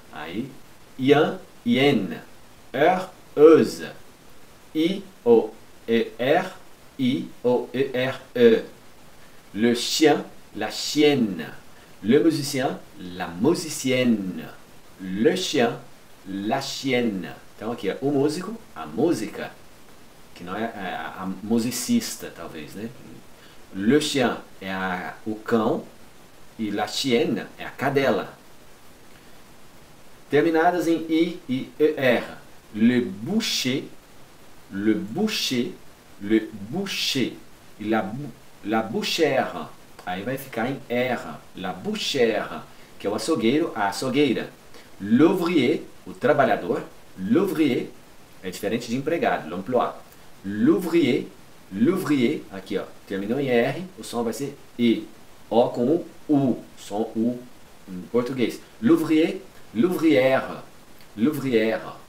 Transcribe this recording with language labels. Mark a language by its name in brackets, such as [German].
[Portuguese] Aí, ien, ien. Er, euse. I-O-E-R-E. [French] Le chien, la chienne. Le musicien, la musicienne. Le chien, la chienne. [Portuguese] Então aqui é o músico, a música, que não é a musicista, talvez, né? Le chien é o cão e la chienne é a cadela. [French] Terminadas em I e ER. Le boucher, le boucher, le boucher. E la bouchère. [Portuguese] Aí vai ficar em R, la bouchère, que é o açougueiro, a açougueira. L'ouvrier, o trabalhador. L'ouvrier é diferente de empregado, l'emploi. L'ouvrier, L'ouvrier, aqui ó, terminou em R, o som vai ser I. O com U, som U em português. [French] L'ouvrier, l'ouvrière, l'ouvrière.